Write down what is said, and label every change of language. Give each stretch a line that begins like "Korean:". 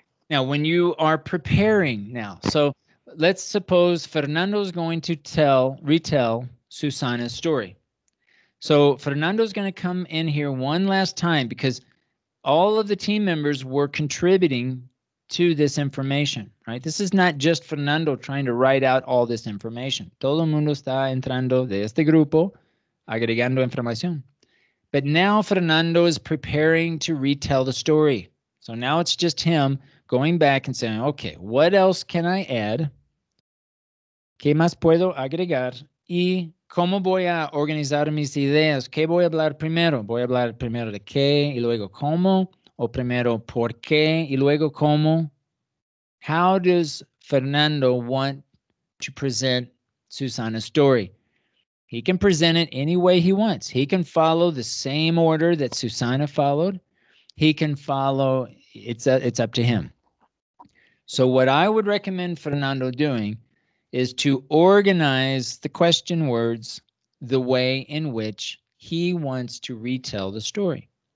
English: Now, when you are preparing now, so let's suppose Fernando is going to retell Susana's story. So Fernando's going to come in here one last time because all of the team members were contributing to this information, right? This is not just Fernando trying to write out all this information.
Spanish: Todo mundo está entrando de este grupo agregando información.
English: But now Fernando is preparing to retell the story. So now it's just him going back and saying, okay, what else can I add?
Spanish: ¿Qué más puedo agregar? ¿Y cómo voy a organizar mis ideas? ¿Qué voy a hablar primero? ¿Voy a hablar primero de qué y luego cómo? O primero, ¿por qué? Y luego, ¿cómo?
English: How does Fernando want to present Susana's story? He can present it any way he wants. He can follow the same order that Susana followed. He can follow, it's up to him. So what I would recommend Fernando doing is to organize the question words the way in which he wants to retell the story.